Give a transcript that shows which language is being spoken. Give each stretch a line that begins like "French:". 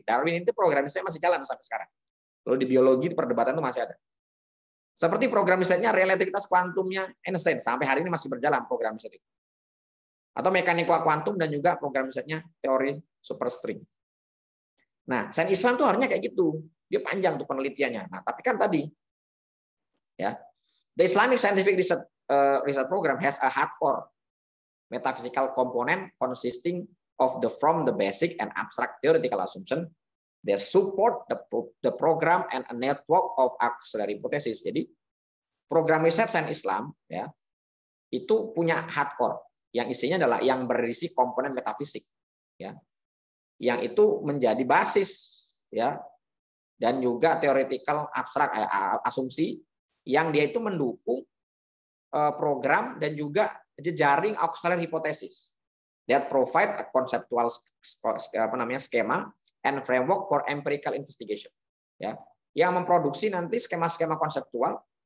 Indonesian: Darwin itu program risetnya masih jalan sampai sekarang. Lalu di biologi perdebatan itu masih ada. Seperti program risetnya relativitas kuantumnya Einstein sampai hari ini masih berjalan program riset itu. Atau mekanika kuantum dan juga program risetnya teori superstring. Nah, sains Islam tuh harusnya kayak gitu. Dia panjang tuh penelitiannya. Nah, tapi kan tadi ya,
English: the Islamic scientific research program has a hardcore metaphysical component consisting of the from the basic and abstract theoretical assumption that support the program and a network of auxiliary hypothesis.
Indonesian: Jadi, program riset sains Islam ya itu punya hardcore yang isinya adalah yang berisi komponen metafisik ya. Yang itu menjadi basis ya dan juga theoretical abstract asumsi yang dia itu mendukung program dan juga jejaring
English: auxiliary hypothesis that provide a conceptual
Indonesian: apa namanya skema
English: and framework for empirical investigation
Indonesian: ya, yang memproduksi nanti skema-skema konseptual